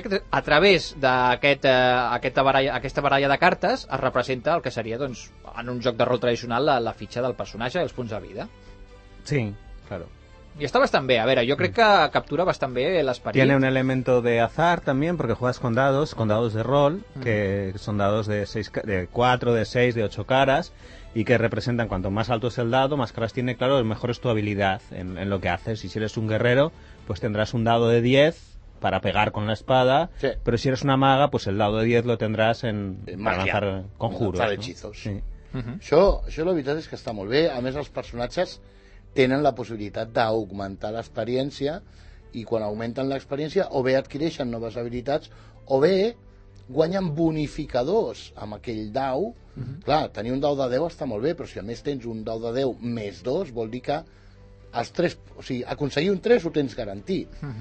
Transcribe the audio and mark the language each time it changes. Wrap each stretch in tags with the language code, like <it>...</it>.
<ca>A través d'aquesta baralla de cartes es representa el que seria, en un joc de rol tradicional, la fitxa del personatge i els punts de vida.</ca> <es>Sí, claro. Y está bastante bien. A ver, yo creo que captura bastante bien el aspecto. Tiene un elemento de azar también, porque juegas con dados de rol, que son dados de 4, de 6, de 8 caras, y que representan cuanto más alto es el dado, más caras tiene, claro, mejor es tu habilidad en lo que haces. Y si eres un guerrero, pues tendrás un dado de 10 para pegar con la espada, sí. Pero si eres una maga, pues el dado de 10 lo tendrás en magia, para lanzar conjuros. Para hechizos. ¿No? Sí. Yo la verdad es que está muy bien.</es> <ca>A més,</ca> <es>los personajes</es> <ca>tenen la possibilitat d'augmentar l'experiència, i quan augmenten l'experiència o bé adquireixen noves habilitats o bé guanyen bonificadors amb aquell dau. Clar, tenir un dau de 10 està molt bé, però si a més tens un dau de 10 més 2, vol dir que els 3, o sigui, aconseguir un 3 ho tens garantit.</ca>